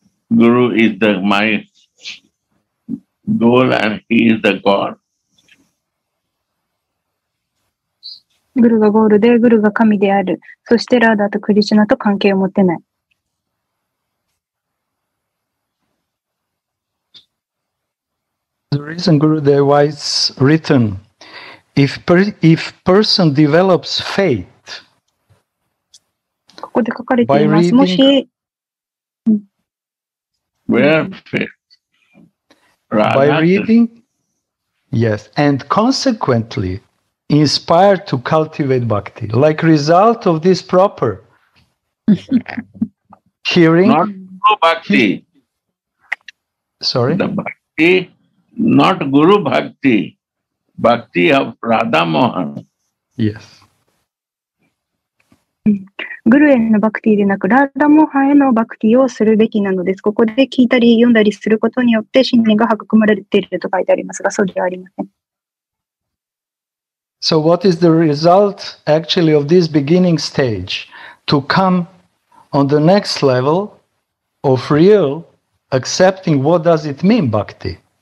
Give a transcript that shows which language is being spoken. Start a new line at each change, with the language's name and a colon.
English: Guru is the my goal and he is the God.
Japanese: グルがゴールで、グルが神である。そしてラーダとクリシュナと関係を持ってない。
English: The reason Gurudeva is written, if person develops faith,
Japanese: ここで書かれています。
English: reading,
Japanese: もし、
English: by reading, yes, and consequently inspired to cultivate bhakti, like result of this proper hearing. Not guru bhakti. Sorry? The bhakti, not guru bhakti, bhakti of Radha Mohan. Yes.
Japanese: グルへのバクティでなく、ラーダモハへのバクティをするべきなのです。ここで聞いたり読んだりすることによって、信念が育まれていると書いてありますが、そうではありません。
English: So what is the result actually of this beginning stage? To come on the next level of real accepting what does it mean, bhakti?